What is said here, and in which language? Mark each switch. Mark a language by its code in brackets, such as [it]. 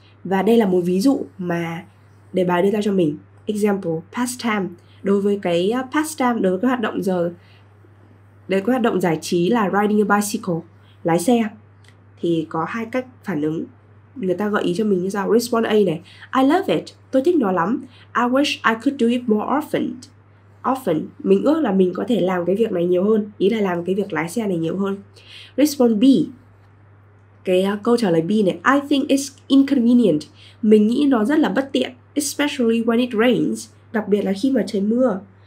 [vi] Và đây là một ví dụ mà để bài đưa ra cho mình. [en] Example, past time. [vi] Đối với cái past time, đối với cái hoạt động giờ, đối với hoạt động giải trí là [en] riding a bicycle, [vi] lái xe, thì có 2 cách phản ứng. Người ta gợi ý cho mình như sau. Response A này: [en] I love it, [vi] tôi thích nó lắm. [en] I wish I could do it more often. [vi] Often, mình ước là mình có thể làm cái việc này nhiều hơn, ý là làm cái việc lái xe này nhiều hơn. Response B, cái câu trả lời B này: [en] I think it's inconvenient, [vi] mình nghĩ nó rất là bất tiện. [en] Especially when it rains, [vi] đặc biệt là khi mà trời mưa.